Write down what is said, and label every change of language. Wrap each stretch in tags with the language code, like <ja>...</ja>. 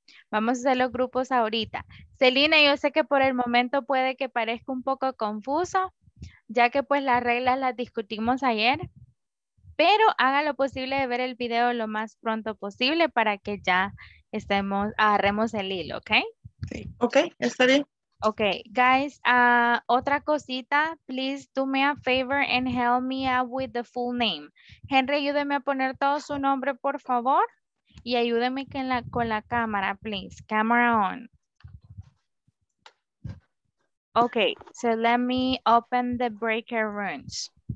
<es>Vamos a hacer los grupos ahorita. Celina, yo sé que por el momento puede que parezca un poco confuso, ya que pues las reglas las discutimos ayer, pero haga lo posible de ver el video lo más pronto posible para que ya estemos, agarremos el hilo, ¿ok? Sí, ok, está bien.</es> <en>Ok, guys,</en> <es>otra cosita,</es> <en>please do me a favor and help me out with the full name.</en> <es>Henry, ayúdeme a poner todo su nombre, por favor, y ayúdeme con la cámara, please.</es> <en>Camera on. Ok, so let me open the breakout rooms.</en>